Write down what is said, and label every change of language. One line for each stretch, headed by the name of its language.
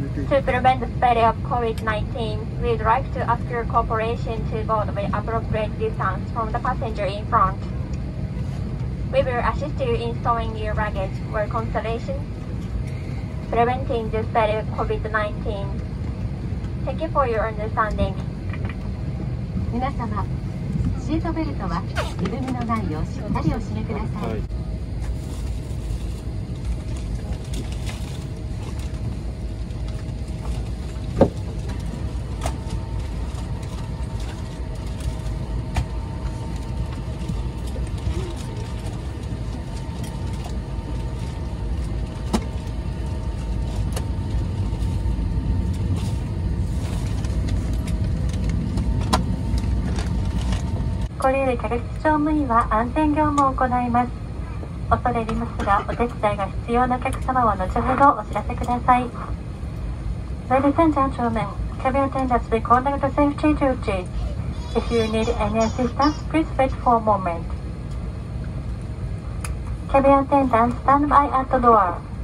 English: To prevent the spread of COVID-19, we would like to ask your cooperation to board with appropriate distance from the passenger in front. We will assist you in storing your baggage for consolation, preventing the spread of COVID-19. Thank you for your understanding.
Japanese: 皆様、シートベルトは緩みのないようしっかりお締めください。これより客室乗務員は安全業務を行います。恐れ入りますがお手伝いが必要なお客様は後ほどお知らせください。
English: Ladies and gentlemen, cabin attendants will conduct the safety duties. If you need any assistance, please wait for a moment. Cabin attendants, stand by at the door.